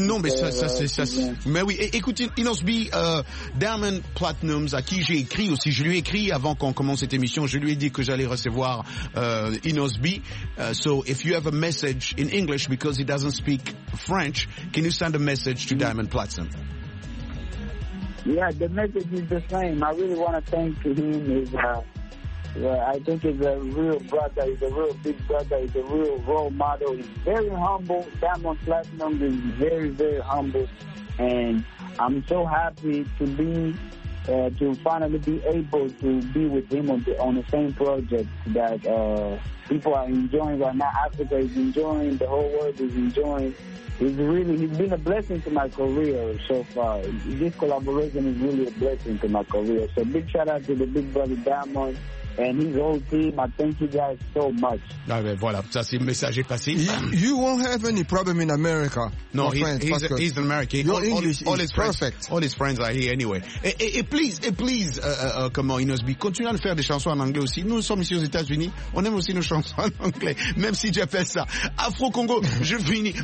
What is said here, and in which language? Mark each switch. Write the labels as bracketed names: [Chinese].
[French] Non, mais ça, écoutez, Inosbi, Diamond Platinum, à qui j'ai écrit aussi, je lui ai écrit avant qu'on commence cette émission, je lui ai dit que j'allais recevoir Inosbi. [English] So if you have a message in English because he doesn't speak French, can you send a message to Diamond Platinum? Yeah, the message is the same. I really want to thank him. I think he's a real brother. He's a real big brother. He's a real role model. He's very humble. Diamond Platinum is very, very humble. And I'm so happy to be, to finally be able to be with him on the same project that people are enjoying right now. Africa is enjoying. The whole world is enjoying. It's really, it's been a blessing to my career so far. This collaboration is really a blessing to my career. So big shout out to the big brother Diamond. And his whole team, I thank you guys so much. Ah, ben voilà, ça c'est le message est passé. You won't have any problem in America. No, he's in America. All his friends are here anyway. [French] Et please, comment Inos B, continue à le faire des chansons en anglais aussi. Nous sommes ici aux États-Unis, on aime aussi nos chansons en anglais, même si j'appelle ça Afro-Congo, je finis.